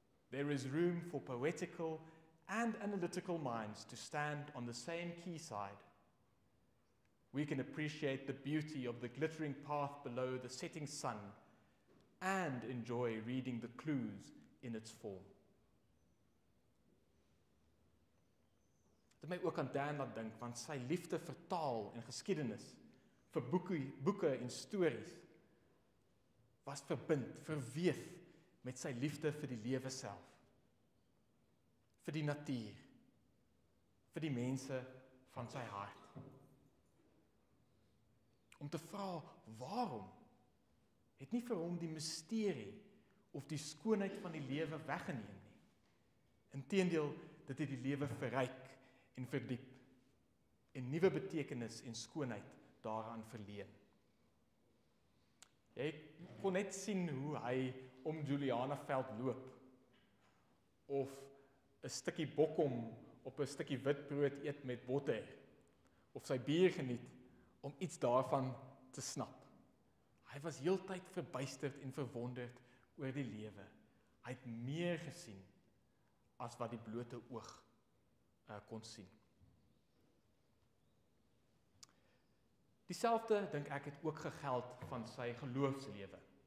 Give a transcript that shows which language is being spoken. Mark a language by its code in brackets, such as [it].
[en] There is room for poetical and analytical minds to stand on the same quayside. We can appreciate the beauty of the glittering path below the setting sun and enjoy reading the clues in its form." [af] Dit my ook aan Dan laat dink, want sy liefde vir taal en geskiedenis, vir boeke en stories, was verbind, verweef met sy liefde vir die lewe self, vir die natuur, vir die mense van sy hart. Om te vra waarom, het nie vir hom die mysterie of die skoonheid van die lewe weggeneem nie. Inteendeel, dit het die lewe verryk en verdiep en nuwe betekenis en skoonheid daaraan verleen. Jy kon net sien hoe hy om Julianaveld loop of een stukkie bokkom op een stukkie witbrood eet met botter, of sy bier geniet om iets daarvan te snap. Hy was heeltyd verbuisterd en verwonderd oor die lewe. Hy het meer gesien as wat die blote oog kon sien. Dieselfde, denk ek, het ook gegeld van sy geloofslewe.